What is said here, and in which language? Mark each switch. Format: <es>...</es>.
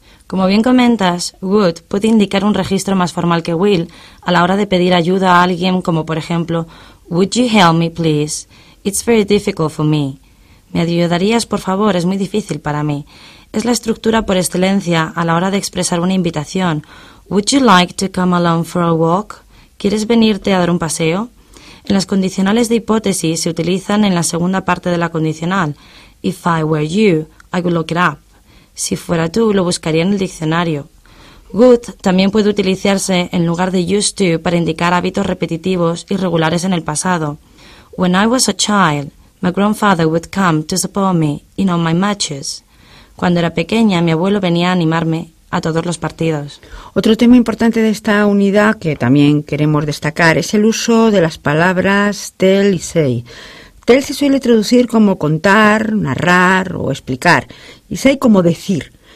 <es>Como bien comentas, would puede indicar un registro más formal que will a la hora de pedir ayuda a alguien, como por ejemplo,</es> <en>would you help me please? It's very difficult for me.</en> <es>¿Me ayudarías por favor? Es muy difícil para mí. Es la estructura por excelencia a la hora de expresar una invitación.</es> <en>Would you like to come along for a walk?</en> <es>¿Quieres venirte a dar un paseo? En las condicionales de hipótesis se utilizan en la segunda parte de la condicional.</es> <en>If I were you, I would look it up.</en> <es>Si fuera tú, lo buscaría en el diccionario. Would también puede utilizarse en lugar de used to para indicar hábitos repetitivos y regulares en el pasado.</es> <en>When I was a child, my grandfather would come to support me in all my matches.</en> <es>Cuando era pequeña, mi abuelo venía a animarme a todos los partidos. Otro tema importante de esta unidad que también queremos destacar es el uso de las palabras tell y say. Tell se suele traducir como contar, narrar o explicar, y say como decir.</es>